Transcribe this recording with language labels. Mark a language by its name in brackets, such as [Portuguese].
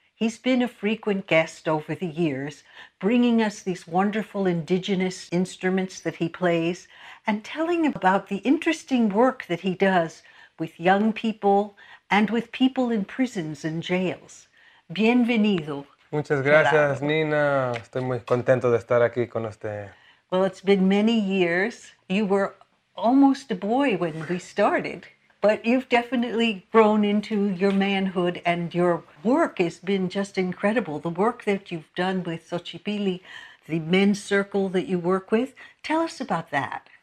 [English] He's been a frequent guest over the years, bringing us these wonderful indigenous instruments that he plays and telling about the interesting work that he does with young people and with people in prisons and jails. [Spanish] Bienvenido. Muchas gracias, Gerardo. Nina. Estoy muy contento de estar aquí con usted. [English] Well, it's been many years. You were almost a boy when we started. But you've definitely grown into your manhood, and your work has been just incredible. The work that you've done with Xochipilli, the men's circle that you work with. Tell us about that.